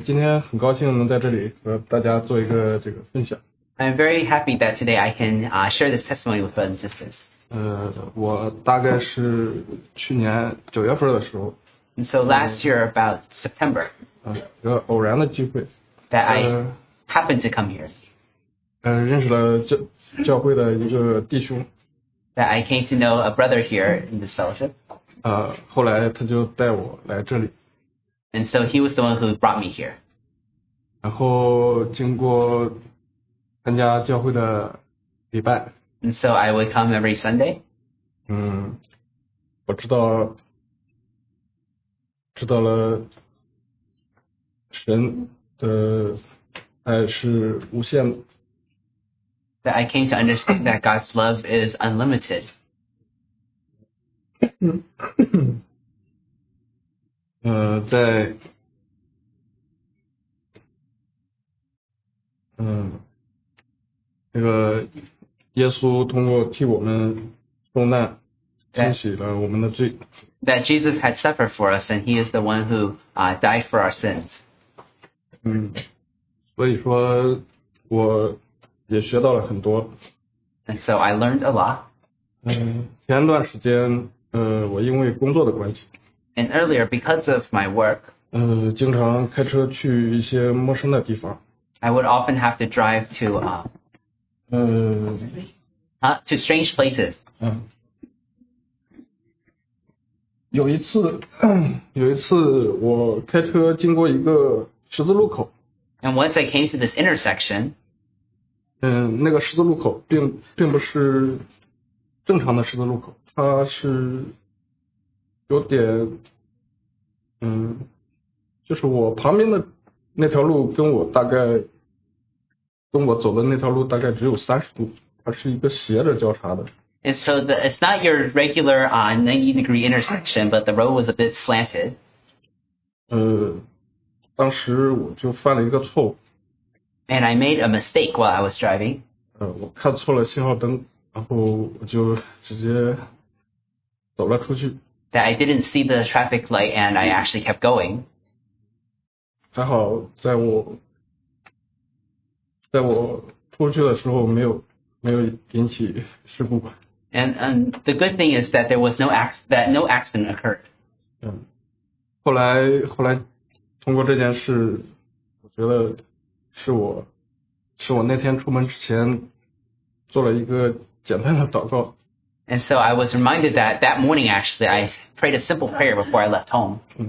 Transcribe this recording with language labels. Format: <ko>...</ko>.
<zh>今天很高兴能在这里和大家做一个这个分享。</zh> <en>I'm very happy that today I can share this testimony with brothers and sisters.</en> <zh>我大概是去年九月份的时候。</zh> <en>And so last year about September.</en> <zh>一个偶然的机会。</zh> <en>That I happened to come here.</en> <zh>认识了教会的一个弟兄。</zh> <en>That I came to know a brother here in this fellowship.</en> <zh>后来他就带我来这里。</zh> <en>And so he was the one who brought me here.</en> <zh>然后经过参加教会的礼拜。</zh> <en>And so I would come every Sunday.</en> <zh>我知道了神的爱是无限的。</zh> <en>That I came to understand that God's love is unlimited.</en> <zh>在耶稣通过替我们受难，清洗了我们的罪。</zh> <en>That Jesus had suffered for us, and He is the one who died for our sins.</en> <zh>所以说我也学到了很多。</zh> <en>And so I learned a lot.</en> <zh>前段时间，我因为工作的关系。</zh> <en>And earlier, because of my work.</en> <zh>经常开车去一些陌生的地方。</zh> <en>I would often have to drive to to strange places.</en> <zh>有一次我开车经过一个十字路口。</zh> <en>And once I came to this intersection,</en> <zh>那个十字路口并不是正常的十字路口，它是有点，就是我旁边的那条路跟我走的那条路大概只有30度，它是一个斜着交叉的。</zh> <en>And so it's not your regular 90 degree intersection, but the road was a bit slanted.</en> <zh>当时我就犯了一个错误。</zh> <en>And I made a mistake while I was driving.</en> <zh>我看错了信号灯，然后我就直接走了出去。</zh> <en>That I didn't see the traffic light and I actually kept going.</en> <zh>还好在我出去的时候没有引起事故。</zh> <en>And the good thing is that there was no accident occurred.</en> <zh>后来通过这件事，我觉得是我那天出门之前做了一个简单的祷告。</zh> <en>And so I was reminded that morning actually I prayed a simple prayer before I left home.</en>